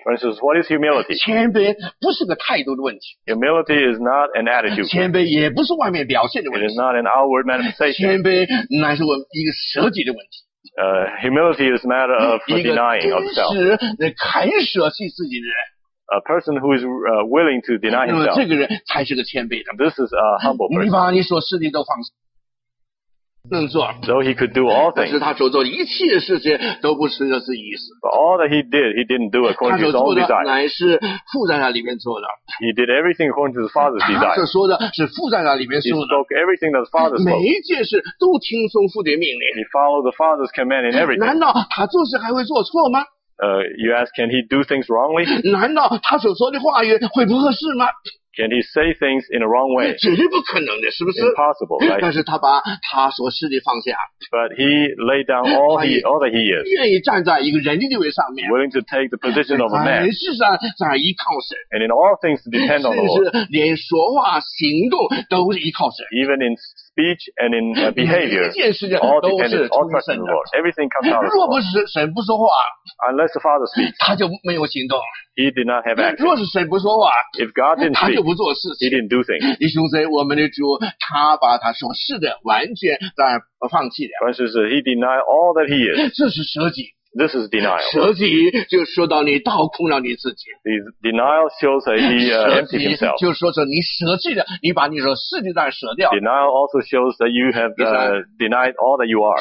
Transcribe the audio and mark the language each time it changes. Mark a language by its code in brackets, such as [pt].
[en] Friends, what is humility? [zh] 谦卑不是个态度的问题。 [en] Humility is not an attitude. [zh] 谦卑也不是外面表现的问题。 [en] It is not an outward manifestation. [zh] 谦卑乃是我们一个舍己的问题。 [en] Humility is a matter of denying of self. [zh] 一个真实的肯舍弃自己的人。 [en] A person who is willing to deny himself. [zh] 那么这个人才是个谦卑的。 [en] This is a humble person. [zh] 你把你所事的都放下。能做 [en] ，so he could do all things， [zh] 但是他所做的一切事情都不是着自己意思。 [en] But all that he did, he didn't do according to his own desire。 [zh] 他所做的乃是父在他里面做的。 [en] He did everything according to his father's desire。 [zh] 他所说的是父在他里面说的。 [en] He spoke everything that the father spoke。 [zh] 每一件事都听从父的命令。 [en] He followed the father's command in everything。 [zh] 难道他做事还会做错吗？ [en] You ask, can he do things wrongly？ [zh] 难道他所说的话语会不合适吗？ [en] Can he say things in a wrong way? [zh] 绝对不可能的，是不是？ [en] Impossible, right? [zh] 但是他把他所是的放下。 [en] But he laid down all he all that he is. [zh] 愿意站在一个人的地位上面。 [en] Willing to take the position of a man. [zh] 凡事上在依靠神。 [en] And in all things depend on the Lord. [zh] 甚至连说话行动都依靠神。 [en] Even in speech and in behavior, [zh] 每一件事情都是从神的。 [en] All depends on the Lord. Everything comes out of the Lord. [zh] 若不是神不说话， [en] unless the Father speaks, [zh] 他就没有行动。 [en] He did not have action. [zh] 若是神不说话， [en] if God didn't speak, [zh] 他就不做事情。 [en] He didn't do things. [zh] 弟兄姊妹，我们的主，他把他所是的完全在放弃了。但是是 [en] ，He denied all that he is. [zh] 这是舍己。 [en] This is denial. [zh] 舍己就说到你倒空了你自己。 [en] The denial shows that he emptied himself. [zh] 就说着你舍弃的，你把你所是的在舍掉。 [en] Denial also shows that you have denied all that you are.